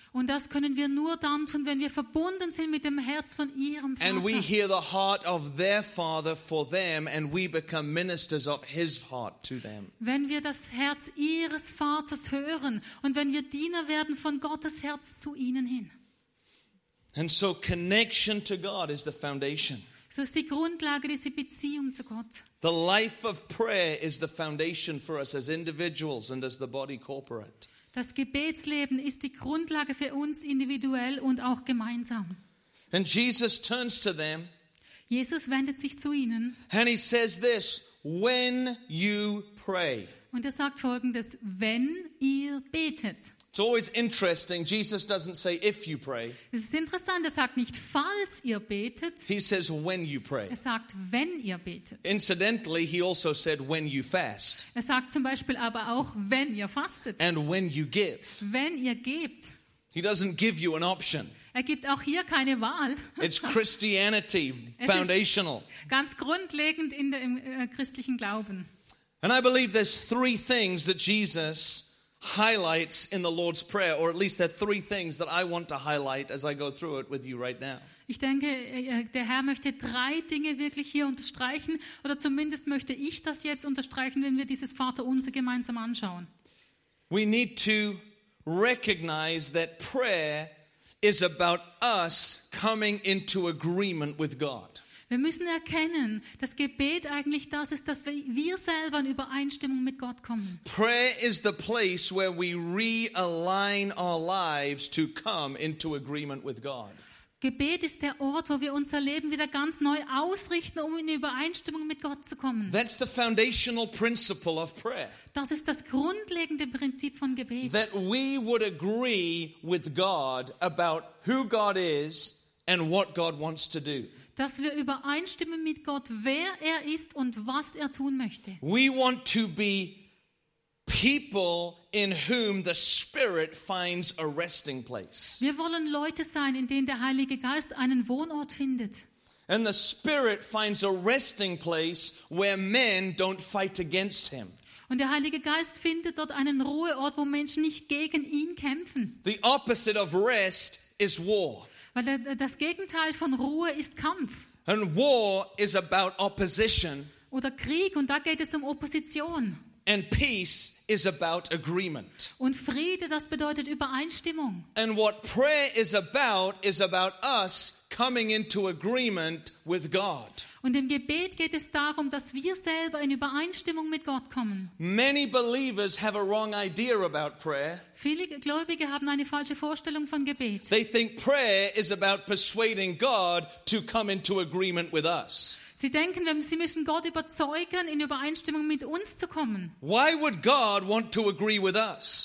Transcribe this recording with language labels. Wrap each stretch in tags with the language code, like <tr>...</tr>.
<de>Und das können wir nur dann tun, wenn wir verbunden sind mit dem Herz von ihrem Vater.</de> <en>And we hear the heart of their father for them and we become ministers of his heart to them.</en> <de>Wenn wir das Herz ihres Vaters hören und wenn wir Diener werden von Gottes Herz zu ihnen hin.</de> <en>And so connection to God is the foundation.</en> <de>So ist die Grundlage diese Beziehung zu Gott.</de> <en>The life of prayer is the foundation for us as individuals and as the body corporate.</en> <de>Das Gebetsleben ist die Grundlage für uns individuell und auch gemeinsam.</de> <en>And Jesus turns to them.</en> <de>Jesus wendet sich zu ihnen.</de> <en>And he says this, when you pray.</en> <de>Und er sagt folgendes, wenn ihr betet.</de> <en>It's always interesting. Jesus doesn't say if you pray.</en> <de>Es ist interessant, er sagt nicht falls ihr betet.</de> <en>He says when you pray.</en> <de>Er sagt wenn ihr betet.</de> <en>Incidentally, he also said when you fast.</en> <de>Er sagt zum Beispiel aber auch wenn ihr fastet.</de> <en>And when you give.</en> <de>Wenn ihr gebt.</de> <en>He doesn't give you an option.</en> <de>Er gibt auch hier keine Wahl.</de> <en>It's Christianity foundational.</en> <de>Es ist ganz grundlegend in dem christlichen Glauben.</de> <en>And I believe there's three things that Jesus highlights in the Lord's Prayer, or at least there are three things that I want to highlight as I go through it with you right now.</en> <de>Ich denke, der Herr möchte drei Dinge wirklich hier unterstreichen, oder zumindest möchte ich das jetzt unterstreichen, wenn wir dieses Vaterunser gemeinsam anschauen.</de> <en>We need to recognize that prayer is about us coming into agreement with God.</en> <de>Wir müssen erkennen, dass Gebet eigentlich das ist, dass wir selber in Übereinstimmung mit Gott kommen.</de> <en>Prayer is the place where we realign our lives to come into agreement with God.</en> <de>Gebet ist der Ort, wo wir unser Leben wieder ganz neu ausrichten, um in Übereinstimmung mit Gott zu kommen.</de> <en>That's the foundational principle of prayer.</en> <de>Das ist das grundlegende Prinzip von Gebet.</de> <en>That we would agree with God about who God is and what God wants to do.</en> <de>dass wir übereinstimmen mit Gott, wer er ist und was er tun möchte.</de> <en>We want to be people in whom the Spirit finds a resting place.</en> <de>Wir wollen Leute sein, in denen der Heilige Geist einen Wohnort findet.</de> <en>And the Spirit finds a resting place where men don't fight against him.</en> <de>Und der Heilige Geist findet dort einen Ruheort, wo Menschen nicht gegen ihn kämpfen.</de> <en>The opposite of rest is war.</en> <de>Weil das Gegenteil von Ruhe ist Kampf.</de> <en>And war is about opposition.</en> <de>Oder Krieg, und da geht es um Opposition.</de> <en>And peace is about agreement.</en> <de>Und Friede, das bedeutet Übereinstimmung.</de> <en>And what prayer is about us coming into agreement with God.</en> <de>Und im Gebet geht es darum, dass wir selber in Übereinstimmung mit Gott kommen.</de> <en>Many believers have a wrong idea about prayer.</en> <de>Viele Gläubige haben eine falsche Vorstellung von Gebet.</de> <en>They think prayer is about persuading God to come into agreement with us.</en> <de>Sie denken, sie müssen Gott überzeugen, in Übereinstimmung mit uns zu kommen.</de> <en>Why would God want to agree with us?</en>